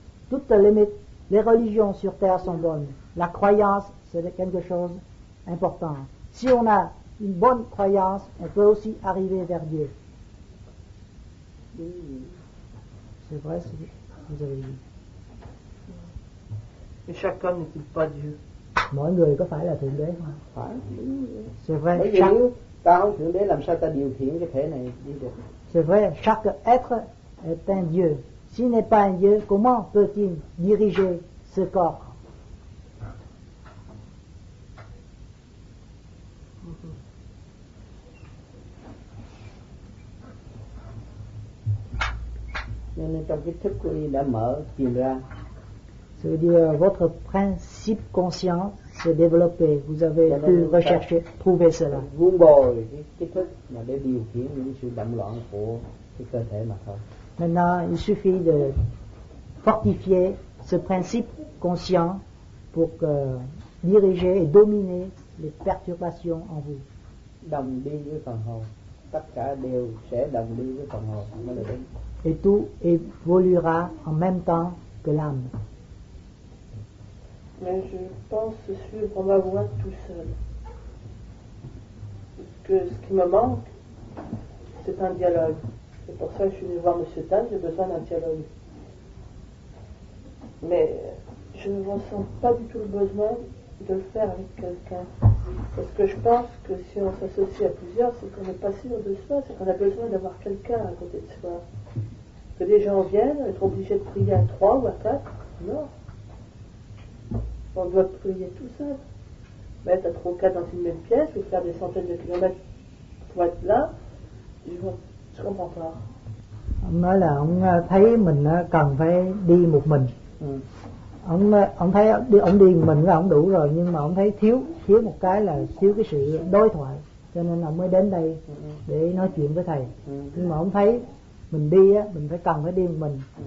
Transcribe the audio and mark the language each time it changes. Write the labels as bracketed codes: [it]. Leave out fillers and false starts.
[fr] Toutes les religions sur terre sont bonnes. La croyance, c'est quelque chose d'important. Si on a une bonne croyance, on peut aussi arriver vers Dieu. C'est vrai ce que vous avez dit. Et chacun n'est-il pas Dieu? [vi] Mọi người có phải là Thượng Đế không? Phải. [fr] C'est vrai. [vi] Ta không Thượng Đế làm sao ta điều khiển cái thể này đi được? [fr] C'est vrai, chaque être est un Dieu. S'il n'est pas un Dieu, comment peut-il diriger ce corps? [vi] Trong cái thức của y đã mở tìm ra. [fr] Ça veut dire votre principe conscient s'est développé. Vous avez pu rechercher, trouver cela. [vi] Vun bồi cái thức mà để điều khiển những sự động loạn của cái cơ thể mà thôi. [fr] Maintenant, il suffit de fortifier ce principe conscient pour diriger et dominer les perturbations en vous. [vi] Đồng đi với phần hồn, tất cả đều sẽ đồng đi với phần hồn. [fr] Et tout évoluera en même temps que l'âme. Mais je pense suivre ma voie tout seul. Que ce qui me manque, c'est un dialogue. C'est pour ça que je suis venu voir M. Tan, j'ai besoin d'un dialogue. Mais je ne ressens pas du tout le besoin de le faire avec quelqu'un. Parce que je pense que si on s'associe à plusieurs, c'est qu'on n'est pas sûr de soi, c'est qu'on a besoin d'avoir quelqu'un à côté de soi. Que des gens viennent, être obligé de prier à trois ou à quatre, non. On doit prier tout seul. Mettre à trois ou quatre dans une même pièce ou faire des centaines de kilomètres pour être là, je comprends pas. [vi] Ông nói là ông thấy mình cần phải đi một mình. Ông thấy ông đi một mình là ông đủ rồi, nhưng mà ông thấy thiếu một cái là thiếu cái sự đối thoại, cho nên ông mới đến đây để nói chuyện với thầy. Nhưng mà ông thấy mình đi á, mình phải cần phải đi một mình.